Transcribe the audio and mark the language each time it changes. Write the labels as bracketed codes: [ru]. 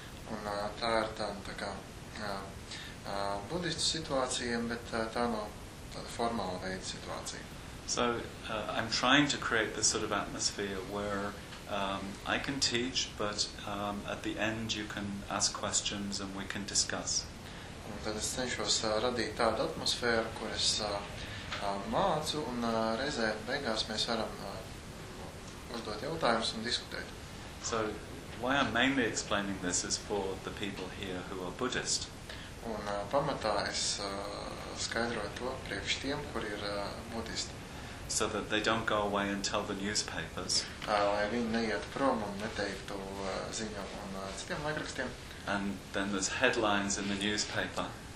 [lv] Un tā ir tāda kā budistu situācija, bet tā nav tāda formāla veida situācija. [en] So I'm trying to create this sort of atmosphere where I can teach, but at the end you can ask questions and we can discuss. [lv] Un tad es cenšos radīt tādu atmosfēru, kur es mācu, un reizē beigās mēs varam uzdot jautājumus un diskutēt. [en] So, why I'm mainly explaining this is for the people here who are Buddhist. [lv] Un pamatā es skaidroju to priekš tiem, kuri ir budisti. [en] So that they don't go away and tell the newspapers. [lv] Lai viņi neiet prom un neteiktu ziņu un citiem laikrakstiem. [en] And then there's headlines in the newspaper.